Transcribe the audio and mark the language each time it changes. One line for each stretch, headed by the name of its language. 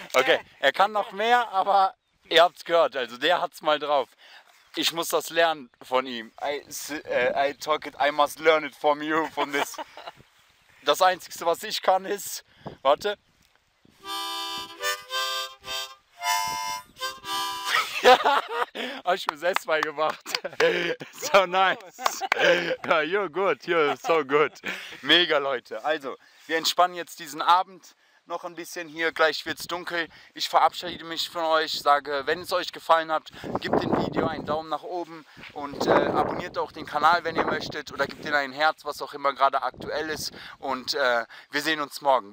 German: Okay, er kann noch mehr, aber ihr habt es gehört, also der hat es mal drauf. Ich muss das lernen von ihm.
English: I must learn it from you, from this.
German: Das Einzige, was ich kann, ist, warte. Ich habe es selbst beigebracht.
English: So nice. You're good, you're so good.
German: Mega, Leute. Also, wir entspannen jetzt diesen Abend. Noch ein bisschen hier, gleich wird es dunkel. Ich verabschiede mich von euch, sage, wenn es euch gefallen hat, gebt dem Video einen Daumen nach oben und abonniert auch den Kanal, wenn ihr möchtet. Oder gebt ihm ein Herz, was auch immer gerade aktuell ist. Und wir sehen uns morgen.